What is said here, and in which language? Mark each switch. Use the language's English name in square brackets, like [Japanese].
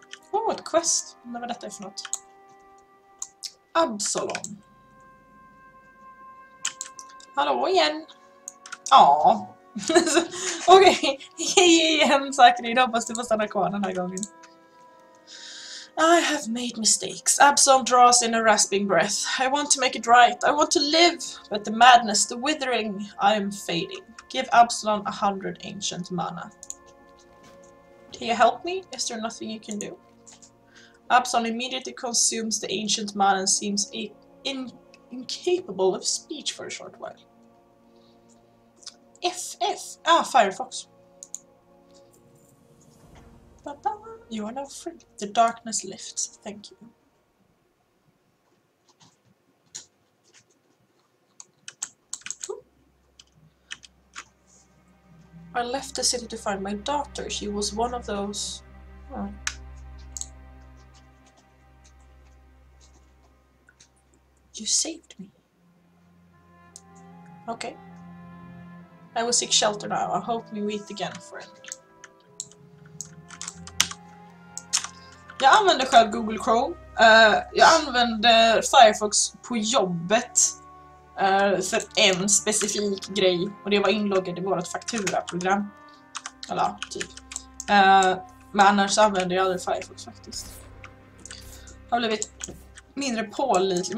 [Swedish] Oh, ett quest. Undrar vad detta är för något. Absalom. Hallå igen! Aww. Okej, igen Zachary, hoppas du får stanna kvar den här gången. [English] I have made mistakes. Absalom draws in a rasping breath. I want to make it right. I want to live. But the madness, the withering, I am fading. Give Absalom 100 ancient mana. Can you help me? Is there nothing you can do? Absalom immediately consumes the ancient mana and seems incapable of speech for a short while. Firefox. Ba-ba. You are now free. The darkness lifts. Thank you. I left the city to find my daughter. She was one of those... You saved me. Okay. I will seek shelter now. I hope we meet again, friend. [Swedish] Jag använder själv Google Chrome. Jag använder Firefox på jobbet för en specifik grej. Och det var inloggad i vårt fakturaprogram. Eller typ. Men annars använder jag aldrig Firefox faktiskt. Jag har blivit mindre pålitlig.